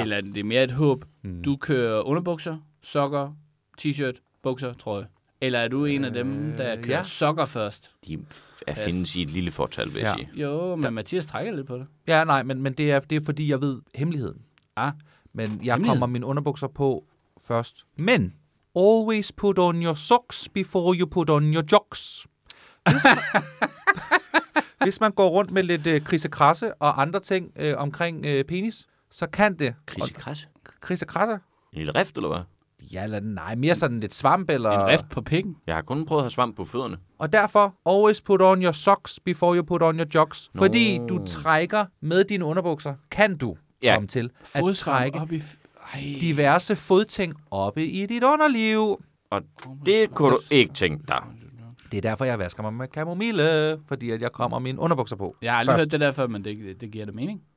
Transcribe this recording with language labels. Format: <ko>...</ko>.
<da>Eller det er mere et håb, du kører underbukser, sokker, t-shirt, bukser, trøje? Eller er du en af dem, der kører sokker først? Jeg findes i et lille fortal, vil jeg sige. Jo, men Mathias trækker lidt på det. Ja, nej, men det er fordi, jeg ved hemmeligheden. Ah. Men jeg kommer mine underbukser på først.</da> <en>Men, always put on your socks before you put on your jocks.</en> <da>Hvis man går rundt med lidt krisekrasse og andre ting omkring penis, så kan det. Krisekrasse? Krisekrasse. En lille rift, eller hvad? Ja, eller nej, mere sådan lidt svamp eller... En rift på pikken. Jeg har kun prøvet at have svamp på fødderne. Og derfor,</da> <en>always put on your socks before you put on your jocks. No.</en> <da>Fordi du trækker med dine underbukser, kan du komme til at fodtrum trække op i diverse fodting oppe i dit underliv. Og det kunne du ikke tænke dig. Det er derfor, jeg vasker mig med kamomile, fordi at jeg kommer mine underbukser på. Jeg har aldrig hørt det der før, men det giver det mening.</da>